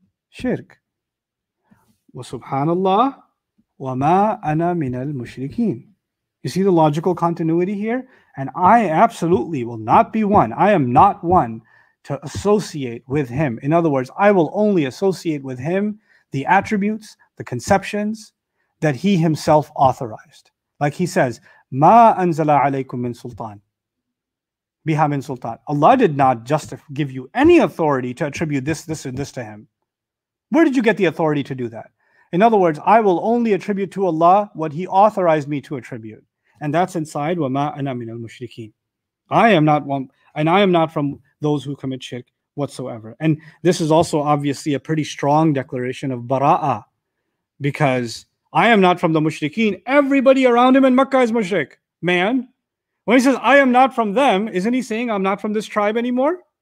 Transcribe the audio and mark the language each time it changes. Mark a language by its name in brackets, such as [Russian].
[Arabic] Shirk. وَسُبْحَانَ اللَّهِ وَمَا أَنَا مِنَ الْمُشْرِكِينَ. [English] You see the logical continuity here? And I absolutely will not be one. I am not one to associate with him. In other words, I will only associate with him the attributes, the conceptions that he himself authorized. Like he says, [Arabic] مَا أَنزَلَ عَلَيْكُم مِّن سُلْطَانٍ بِهَا مِن سُلْطَانٍ. [English] Allah did not just give you any authority to attribute this, this, and this to him. Where did you get the authority to do that? In other words, I will only attribute to Allah what he authorized me to attribute. And that's inside [Arabic] وَمَا أَنَا مِنَ الْمُشْرِكِينَ. [English] I am not one, and I am not from those who commit shirk whatsoever. And this is also obviously a pretty strong declaration of bara'a, because I am not from the mushrikeen. Everybody around him in Makkah is mushrik, man. When he says, I am not from them, isn't he saying I'm not from this tribe anymore?